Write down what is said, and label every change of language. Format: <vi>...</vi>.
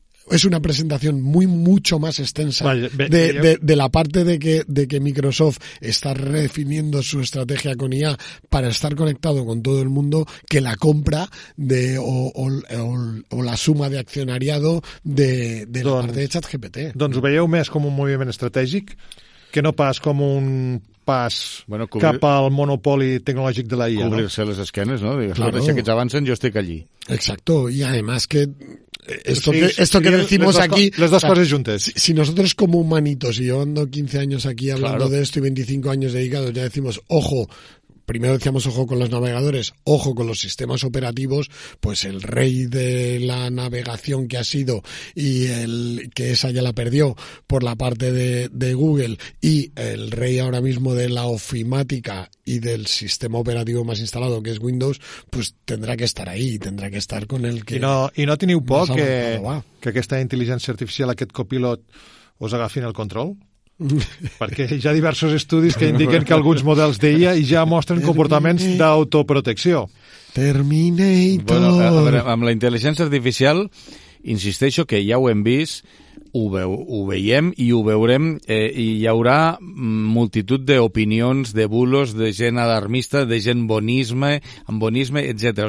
<es>Es una presentación muy mucho más extensa de la parte de que Microsoft está redefiniendo su estrategia con IA para estar conectado con todo el mundo, que la compra o la suma de accionariado de la parte de ChatGPT.</es> <ca>Doncs ho veieu més com un moviment estratègic que no pas com un pas, bueno, cap al monopoli tecnològic de la IA. Cobrir-se, no? Les esquenes, no? Digues, claro. Deixa que ets avancen, jo estic allí.</ca> <es>Exacto, y además que... Esto que decimos aquí... Las dos cosas juntas. Si nosotros como humanitos, y yo ando 15 años aquí hablando de esto y 25 años dedicados, ya decimos, ojo, primero decíamos ojo con los navegadores, ojo con los sistemas operativos, pues el rey de la navegación que ha sido y el que esa ya la perdió por la parte de Google y el rey ahora mismo de la ofimática y del sistema operativo más instalado que es Windows, pues tendrá que estar ahí, tendrá que estar con el que...</es> <ca>¿Y no teniu por que esta inteligencia artificial, aquest copilot, os agafin el control? Perquè hi ha diversos estudis que indiquen que alguns models d'IA ja mostren comportaments d'autoprotecció. Terminator. Bueno, a veure, amb la intel·ligència artificial, insisteixo que ja ho hem vist, ho veiem i ho veurem, i hi haurà multitud d'opinions, de bulos, de gent alarmista, de gent bonisme, amb bonisme, etc.</ca>